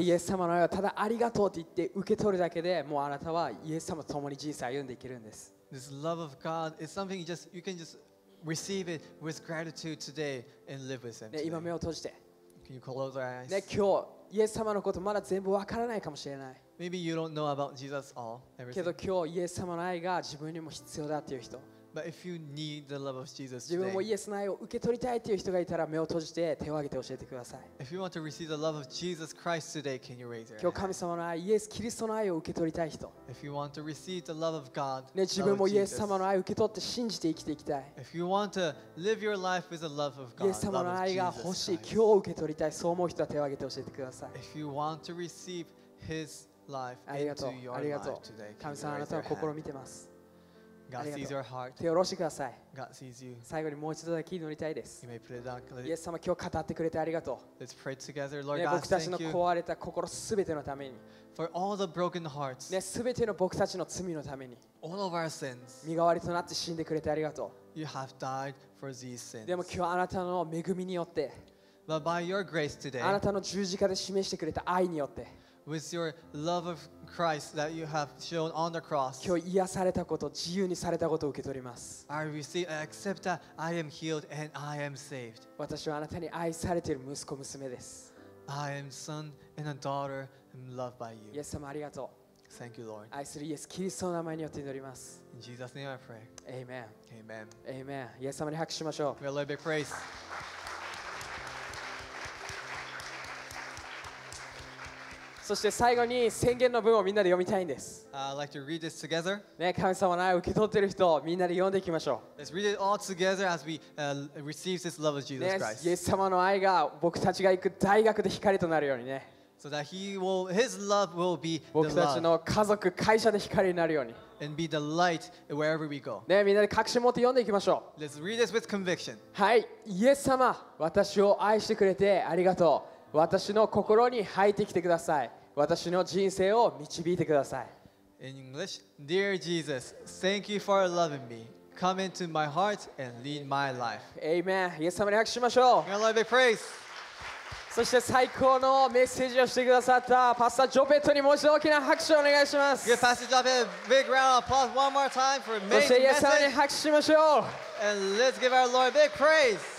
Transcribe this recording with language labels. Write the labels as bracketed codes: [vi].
[ja] ね、イエス様の愛をただありがとうと言って受け取るだけで、もうあなたはイエス様と共に人生を歩んでいけるんです。 [en] This love of God is something you can just receive it with gratitude today and live with Him. [ja] ね、今目を閉じて。 [en] Can you close your eyes? [ja] ね、今日、イエス様のことまだ全部わからないかもしれない。 [en] Maybe you don't know about Jesus all, everything. [ja] けど今日、イエス様の愛が自分にも必要だっていう人。 [en] But if you need the love of Jesus today, [ja] 自分もイエスの愛を受け取りたいという人がいたら目を閉じて手を挙げて教えてください。 [en] If you want to receive the love of Jesus Christ today, can you raise your hand? [ja] 今日神様の愛、イエス・キリストの愛を受け取りたい人。 [en] If you want to receive the love of God, [ja] ね、自分もイエス様の愛を受け取って信じて生きていきたい。 [en] If you want to live your life with the love of God, [ja] イエス様の愛が欲しい、今日受け取りたい、そう思う人は手を挙げて教えてください。 [en] If you want to receive His life into your life today, [ja] 神様、あなたは心を見てます。 [en] God sees your heart. [ja] 手を下ろしてください。 [en] God sees you. [ja] 最後にもう一度だけ祈りたいです。 [en] You may put it down. [ja] イエス様、今日語ってくれてありがとう。 [en] Let's pray together, Lord God. [ja] 僕たちの壊れた心すべてのために。 [en] For all the broken hearts. [ja] ね、すべての僕たちの罪のために。 [en] All of our sins. [ja] 身代わりとなって死んでくれてありがとう。 [en] You have died for these sins. [ja] でも今日あなたの恵みによって。 [en] But by your grace today. [ja] あなたの十字架で示してくれた愛によって。 [en] With your love of Christ that you have shown on the cross, [ja] 今日癒されたこと、自由にされたことを受け取ります。 [en] I receive, I accept that I am healed and I am saved. [ja] 私はあなたに愛されている息子娘です。 [en] I am son and a daughter and loved by you. [ja] イエス様ありがとう。 [en] Thank you, Lord. [ja] 愛するイエス、キリストの名前によって祈ります。 [en] In Jesus' name I pray. Amen. Amen. Amen. [ja] イエス様に拍手しましょう。 [en] We'll give a big praise. [ja] そして最後に宣言の文をみんなで読みたいんです。 [en] I'd like to read this together. [ja] ね、神様の愛を受け取っている人をみんなで読んでいきましょう。 [en] Let's read it all together as we receive this love of Jesus Christ. [ja] ね、イエス様の愛が僕たちが行く大学で光となるようにね。 [en] So that his love will be the love. [ja] 僕たちの家族、会社で光になるように。 [en] And be the light wherever we go. [ja] ね、みんなで確信持って読んでいきましょう。 [en] Let's read this with conviction. [ja] はい、イエス様、私を愛してくれてありがとう。私の心に入ってきてください。私の人生を導いてください。 [en] In English, Dear Jesus, thank you for loving me. Come into my heart and lead my life. Amen. [ja] イエス様に拍手しましょう。 [en] Give Lord a big praise. [ja] そして最高のメッセージをしてくださったパスタジョペットにもう一度大きな拍手をお願いします。 [en] Give Pastor Jope a big round of applause one more time for amazing message. [ja] そしてイエス様に拍手しましょう。 [en] And let's give our Lord a big praise.